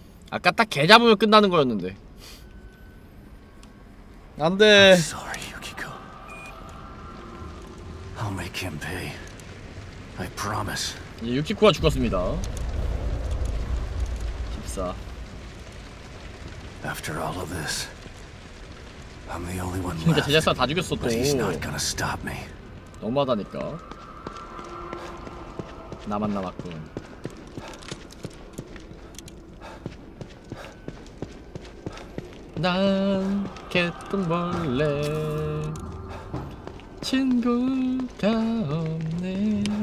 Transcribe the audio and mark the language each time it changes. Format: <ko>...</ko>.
<ko>아까 딱 개 잡으면 끝나는 거였는데. 안 돼.</ko> <en>I'm sorry, Yukiko. I'll make him pay. I promise.</en> <ko>이제 유키코가 죽었습니다. 14.</ko> <en>After all of this, I'm the only one left.</en> <ko>근데 제작사 다 죽였어 또.</ko> <en>But he's not gonna stop me.</en> <ko>너무하다니까. 나만 남았군. 난 개똥벌레 친구가 없네.</ko>